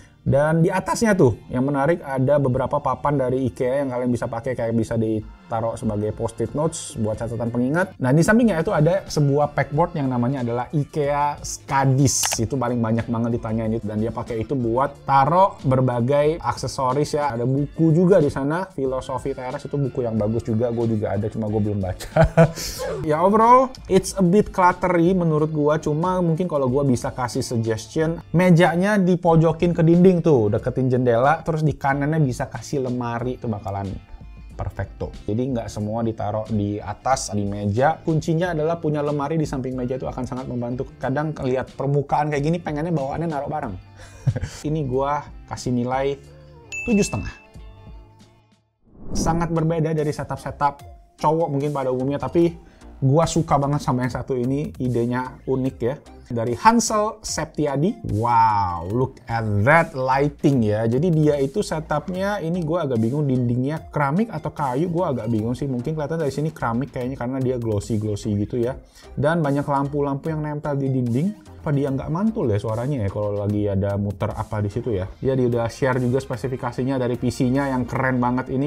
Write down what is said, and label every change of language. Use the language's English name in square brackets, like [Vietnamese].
[Indonesian] Dan di atasnya tuh, yang menarik ada beberapa papan dari IKEA yang kalian bisa pakai, kayak bisa ditaruh sebagai post-it notes buat catatan pengingat. Nah, di sampingnya itu ada sebuah pegboard yang namanya adalah IKEA Skadis. Itu paling banyak banget ditanyain itu. Dan dia pakai itu buat taruh berbagai aksesoris ya. Ada buku juga di sana, Filosofi Teras, itu buku yang bagus juga. Gue juga ada, cuma gue belum baca. Ya, [English] overall, it's a bit cluttery [Indonesian] menurut gue. Cuma mungkin kalau gue bisa kasih suggestion, mejanya dipojokin ke dinding. Dinding tuh, deketin jendela, terus di kanannya bisa kasih lemari, itu bakalan perfecto. Jadi nggak semua ditaruh di atas, di meja. Kuncinya adalah punya lemari di samping meja itu akan sangat membantu. Kadang lihat permukaan kayak gini, pengennya bawaannya naruh barang. Ini gua kasih nilai 7,5. Sangat berbeda dari setup-setup cowok mungkin pada umumnya, tapi gua suka banget sama yang satu ini, idenya unik ya. Dari Hansel Septiadi. [English] Wow, look at that lighting ya. [Indonesian] Jadi dia itu setupnya, ini gua agak bingung dindingnya keramik atau kayu, gua agak bingung sih. Mungkin kelihatan dari sini keramik kayaknya karena dia glossy-glossy gitu ya. Dan banyak lampu-lampu yang nempel di dinding. Apa dia nggak mantul ya suaranya ya kalau lagi ada muter apa di situ ya. Ya, dia udah share juga spesifikasinya dari PC-nya yang keren banget ini.